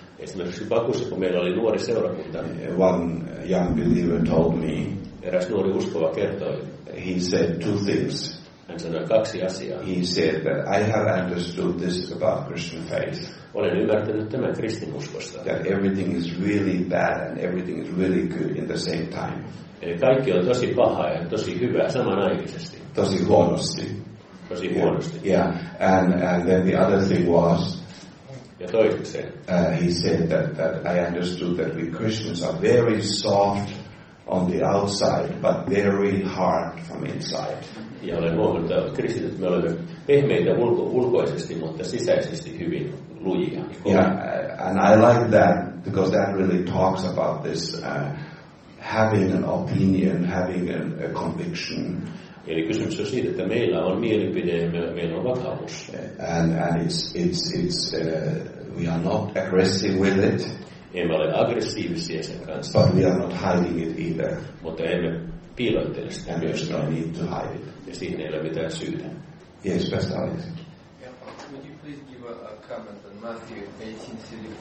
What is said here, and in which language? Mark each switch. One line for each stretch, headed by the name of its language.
Finnish: Esimerkiksi Bakussa, kun meillä oli nuori seurakunta.
English: One young believer told me.
Finnish: Eräs nuori uskova kertoi.
English: He said two things.
Finnish: Hän sanoi kaksi asiaa.
English: He said that I have understood this about Christian faith.
Finnish: Olen ymmärtänyt tämän kristinuskosta.
English: That everything is really bad and everything is really good in the same time.
Finnish: Eli kaikki on tosi paha ja tosi hyvä samanaikaisesti. Tosi huonosti. Tosi huonosti.
English: Yeah. And then the other thing was
Finnish: Ja toisekseen.
English: He said that I understood that we Christians are very soft on the outside, but very hard from inside.
Finnish: Ja olen huomannut, että kristityt me olemme pehmeitä ulkoisesti, mutta sisäisesti hyvin lujia.
English: And I like that because that really talks about this having an opinion, having a conviction.
Finnish: Eli kysymys on siitä, että meillä on mielipide ja meillä on vakaus.
English: And it's we are not aggressive with it.
Finnish: Emme ole aggressiivisia sen kanssa.
English: But we are not hiding it either.
Finnish: Mutta emme piilottele sitä myöskään.
English: And we need to hide it.
Finnish: Ja siinä ei ole mitään syytä.
English: Yes, Pastor Alex. Would you please give a comment on Matthew 18:35?